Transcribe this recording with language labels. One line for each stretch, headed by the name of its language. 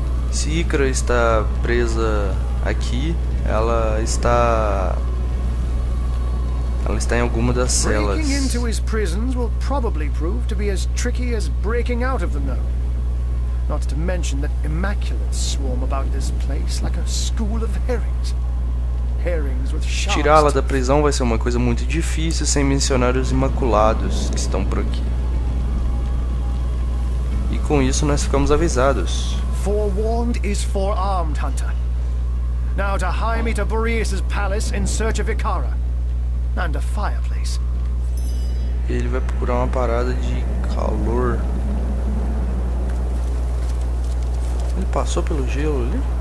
Portuguese: Se Ícara está presa aqui, ela está em alguma das celas.
English: Breaking into his prisons will probably prove to be as tricky as breaking out of them, though. Not to mention that immaculates swarm about this place like a school of herrings.
Portuguese: Tirá-la da prisão vai ser uma coisa muito difícil, sem mencionar os Imaculados que estão por aqui. E com isso nós ficamos avisados.
English: Forewarned is forearmed, Hunter. Now to hie me to Boreas's palace in search of Ikara and a fireplace.
Portuguese: Ele vai procurar uma parada de calor. Ele passou pelo gelo ali?